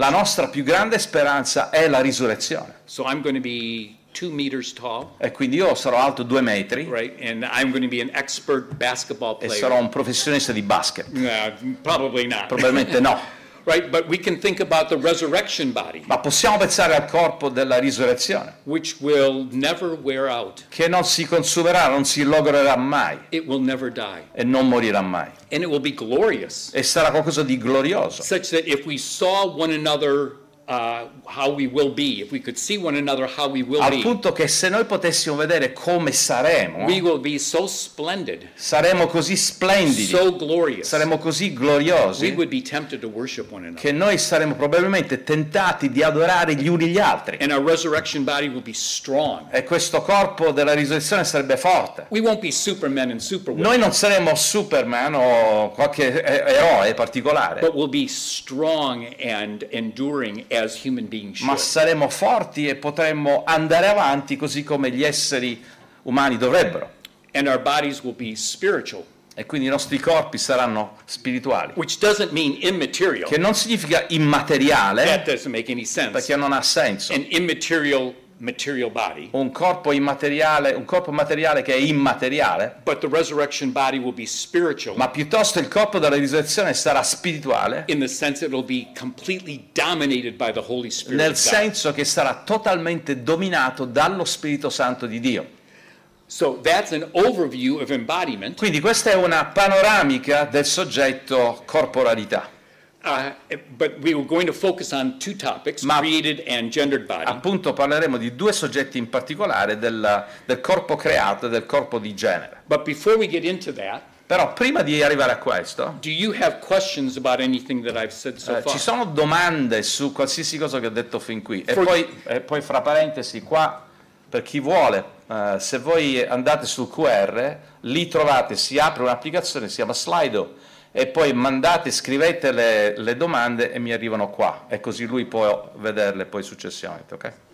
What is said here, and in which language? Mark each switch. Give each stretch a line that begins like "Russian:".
Italian: La nostra più grande speranza è la risurrezione.
English: So I'm going to be 2 meters tall.
Italian: E quindi io sarò alto 2 metri.
English: Right, and I'm going to be an expert basketball player.
Italian: E sarò un professionista di basket.
English: Probably not.
Italian: Probabilmente no.
English: Right, but we can think about the resurrection body.
Italian: Ma possiamo pensare al corpo della risurrezione.
English: Which will never wear out.
Italian: Che non si consumerà, non si logorerà mai.
English: It will never die.
Italian: E non morirà mai.
English: And it will be glorious.
Italian: E sarà qualcosa di glorioso.
English: Such that if we saw one another how we will be, if we could see one another how we will
Italian: al
English: be.
Italian: Al punto che se noi potessimo vedere come saremo.
English: We will be so splendid.
Italian: Saremo così splendidi.
English: So glorious.
Italian: Saremo così gloriosi.
English: We would be tempted to worship one another.
Italian: Che noi saremo probabilmente tentati di adorare gli uni gli altri.
English: And our resurrection body will be strong.
Italian: E questo corpo della risurrezione sarebbe forte.
English: We won't be supermen and superwomen.
Italian: Noi non saremo Superman o qualche eroe particolare.
English: But we'll be strong and enduring as human beings should.
Italian: Ma saremo forti e potremmo andare avanti così come gli esseri umani dovrebbero.
English: And our bodies will be spiritual.
Italian: E quindi i nostri corpi saranno spirituali.
English: Which doesn't mean immaterial.
Italian: Che non significa immateriale.
English: That doesn't make any sense.
Italian: Perché non ha senso.
English: An immaterial material body.
Italian: Un corpo materiale che è immateriale.
English: But the resurrection body will be spiritual.
Italian: Ma piuttosto il corpo della risurrezione sarà spirituale.
English: In the sense it will be completely dominated by the Holy Spirit.
Italian: Nel senso che sarà totalmente dominato dallo Spirito Santo di Dio.
English: So that's an overview of embodiment.
Italian: Quindi questa è una panoramica del soggetto corporalità.
English: But we were going to focus on two topics,
Italian: ma
English: created and gendered body.
Italian: Appunto parleremo di due soggetti in particolare, del corpo creato e del corpo di genere.
English: But before we get into that,
Italian: però prima di arrivare a questo,
English: do you have questions about anything that I've said so far?
Italian: Ci sono domande su qualsiasi cosa che ho detto fin qui? E poi fra parentesi qua, per chi vuole, se voi andate sul QR, lì trovate, si apre un'applicazione, si chiama Slido, e poi mandate, scrivete le domande e mi arrivano qua, e così lui può vederle poi successivamente, ok?